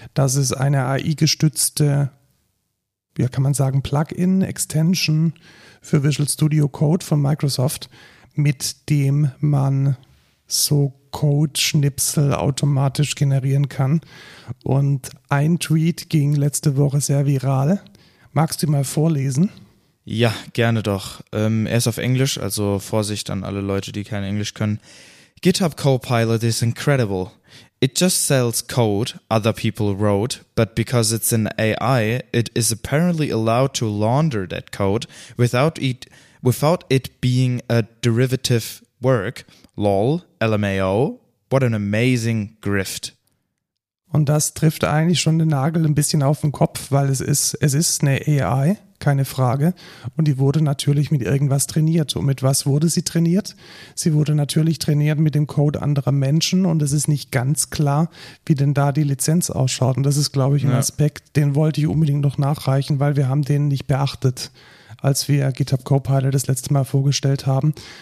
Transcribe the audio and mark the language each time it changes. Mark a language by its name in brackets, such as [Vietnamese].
[German] Das ist eine AI-gestützte, ja, kann man sagen, Plugin-Extension für Visual Studio Code von Microsoft, mit dem man so Code-Schnipsel automatisch generieren kann. Und ein Tweet ging letzte Woche sehr viral. Magst du mal vorlesen? Ja, gerne doch. Er ist auf Englisch, also Vorsicht an alle Leute, die kein Englisch können. [English] GitHub Copilot is incredible. It just sells code other people wrote, but because it's an AI, it is apparently allowed to launder that code without it being a derivative work, lol, LMAO, what an amazing grift. [German] Und das trifft eigentlich schon den Nagel ein bisschen auf den Kopf, weil es ist eine AI, keine Frage. Und die wurde natürlich mit irgendwas trainiert. Und mit was wurde sie trainiert? Sie wurde natürlich trainiert mit dem Code anderer Menschen. Und es ist nicht ganz klar, wie denn da die Lizenz ausschaut. Und das ist, glaube ich, ein Aspekt, den wollte ich unbedingt noch nachreichen, weil wir haben den nicht beachtet, als wir GitHub Copilot das letzte Mal vorgestellt haben.